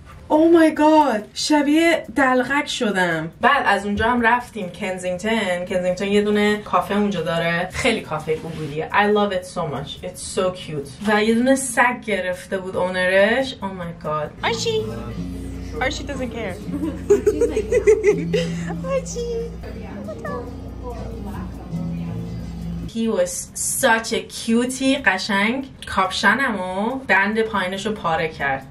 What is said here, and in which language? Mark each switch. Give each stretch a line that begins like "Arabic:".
English: Oh my god
Persian: شبیه دلغک شدم. بعد از اونجا هم رفتیم کنزینگتن. کنزینگتن یه دونه کافه اونجا داره، خیلی کافه گوگولیه.
English: I love it so much, it's so cute.
Persian: و یه دونه سگ گرفته بود اونرش.
English: Oh my god Archie doesn't care. He was such a cutie.
Persian: قشنگ کاپشنم و بند پایینش رو پاره کرد.